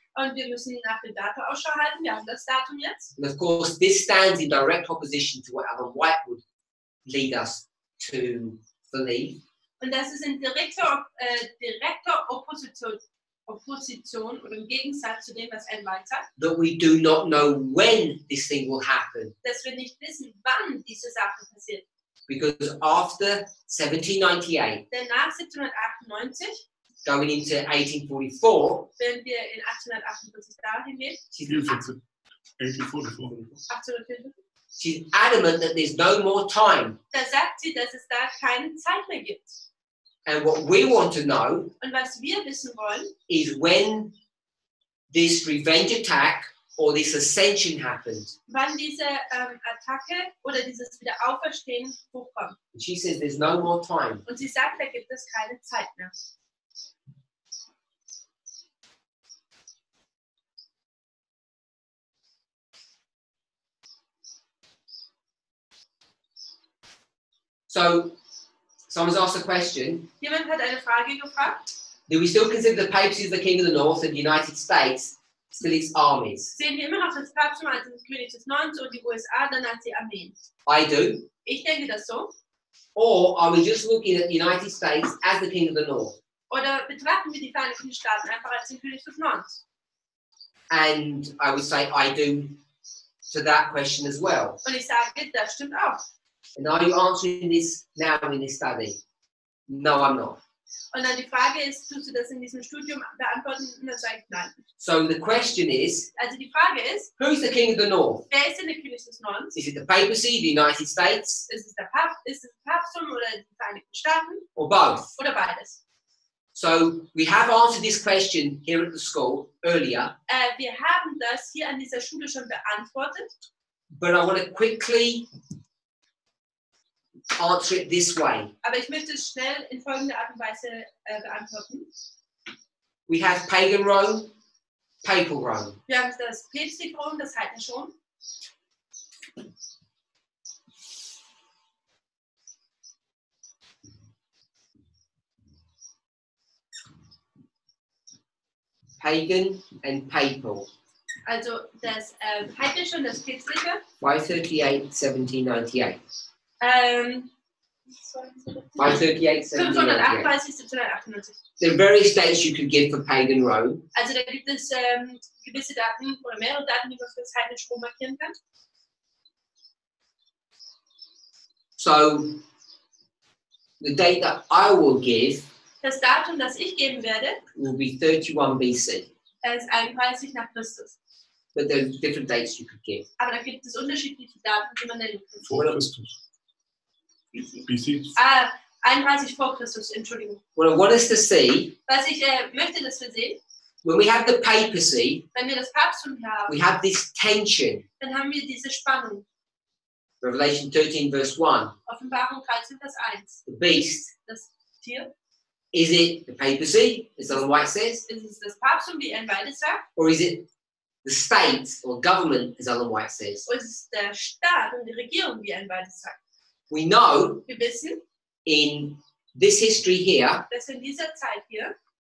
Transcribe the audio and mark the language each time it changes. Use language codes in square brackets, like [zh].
[de] Und wir müssen nach dem Datum Ausschau halten. Wir haben das Datum jetzt. [en] And of course, this stands in direct opposition to what Alan White would lead us to believe. [de] Und das ist in direkter Opposition oder im Gegensatz zu dem, was Alan White sagt. [en] That we do not know when this thing will happen. [de] Dass wir nicht wissen, wann diese Sache passiert. [en] Because after 1798. [de] Denn nach 1798. [en] Going into 1844. [de] Wenn wir in 1848 dahin gehen. [en] She's adamant that there's no more time. [de] Da sagt sie, dass es da keine Zeit mehr gibt. [en] And what we want to know. [de] Und was wir wissen wollen. [en] Is when this revenge attack or this ascension happened. [de] Wann diese Attacke oder dieses Wiederauferstehen hochkommt. [en] And she says there's no more time. [de] Und sie sagt, da gibt es keine Zeit mehr. [en] So, someone's asked a question. [de] Jemand hat eine Frage gefragt. [en] Do we still consider the papacy as the king of the north and the United States still its armies? [de] Sehen wir immer noch das Papstum als den König des Nordens und die USA dann als die Armeen? [en] I do. [de] Ich denke das so. [en] Or are we just looking at the United States as the king of the north? [de] Oder betrachten wir die Vereinigten Staaten einfach als den König des Nordens? [en] And I would say I do to that question as well. [de] Und ich sage, das stimmt auch. [en] And are you answering this now in this study? No, I'm not. [de] Und dann die Frage ist, tust du das in diesem Studium beantworten? Und dann sage ich nein. [en] So the question is, [de] also die Frage ist, [en] who's the king of the north? [de] Wer ist denn der König des Nordens? [en] Is it the papacy, the United States? [de] Ist es der Papstum oder die Vereinigten Staaten? [en] Or both? [de] Oder beides. [en] So we have answered this question here at the school earlier. [de] Wir haben das hier an dieser Schule schon beantwortet. [en] But I want to quickly answer it this way. [de] Aber ich möchte es schnell in folgender Art und Weise beantworten. [en] We have pagan Rome, papal Rome. [de] Wir haben das päpstliche Rom, das heidnische Rom. [en] Pagan and papal. [de] Also das heidnische und das päpstliche. [en] Why 1798? By 1798. There are various dates you could give for pagan Rome. [de] Also da gibt es gewisse Daten oder mehrere Daten, die man für das heidnische Rom markieren kann. [en] So the date that I will give. [de] Das Datum, das ich geben werde, [en] will be 31 BC. [de] Ist 31 nach Christus. [en] But there are different dates you could give. [de] Aber da gibt es unterschiedliche Daten, die man nennen kann. Vor Christus. BC. 31 vor Christus, Entschuldigung. [en] What I want us to see, [de] was ich möchte, dass wir sehen, [en] when we have the papacy, [de] wenn wir das Papsttum haben, [en] we have this tension, [de] dann haben wir diese Spannung. [en] Revelation 13, verse 1. [de] Offenbarung 13, Vers 1. [en] The beast. [de] Das Tier. [en] Is it the papacy, as Ellen White says? [de] Ist es das Papsttum, wie Ellen White sagt? [en] Or is it the state, or government, as Ellen White says? [de] Oder ist es der Staat und die Regierung, wie Ellen White sagt? [en] We know, [de] wir wissen, [en] in this history here, [de] dass in dieser Zeit hier,